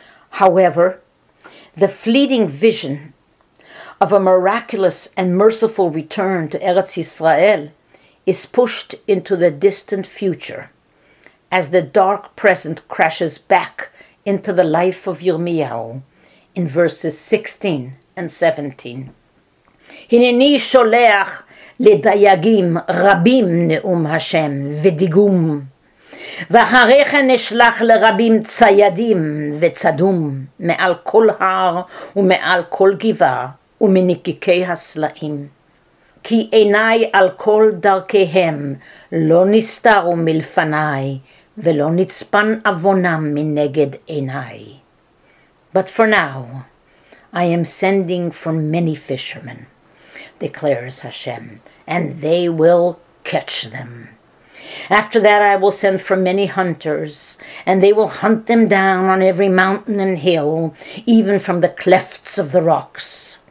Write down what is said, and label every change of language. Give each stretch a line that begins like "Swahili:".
English: However, the fleeting vision of a miraculous and merciful return to Eretz Yisrael is pushed into the distant future as the dark present crashes back into the life of Yirmiyahu in verses 16 and 17.
Hebrew: Hineni sholeach ledayagim rabim neum Hashem vedigum ואחריך נשלח לרבים ציידים וצדום מעל כל הר ומעל כל גבעה ומנקיקי הסלעים. כי עיניי על כל דרכיהם לא נסתרו מלפניי ולא נצפן אבונם מנגד עיניי.
English: But for now, I am sending for many fishermen, declares Hashem, and they will catch them. After that, I will send for many hunters, and they will hunt them down on every mountain and hill, even from the clefts of the rocks.